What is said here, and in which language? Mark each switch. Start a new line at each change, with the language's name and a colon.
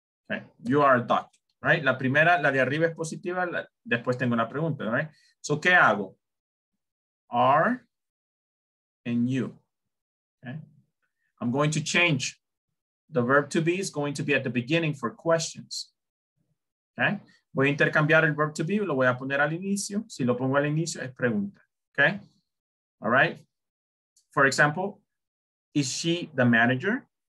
English: Okay, you are a doctor. Right?
Spanish: La primera, la de arriba es positiva. Después tengo una pregunta.
English: Right? So,
Spanish: ¿qué hago?
English: Are and you. Okay? I'm going to change. The verb to be is going to be at the beginning for questions. Okay?
Spanish: Voy a intercambiar el
English: verb to be,
Spanish: lo voy a poner al inicio. Si lo pongo al inicio, es pregunta. Okay?
English: All right? For example, is she the manager?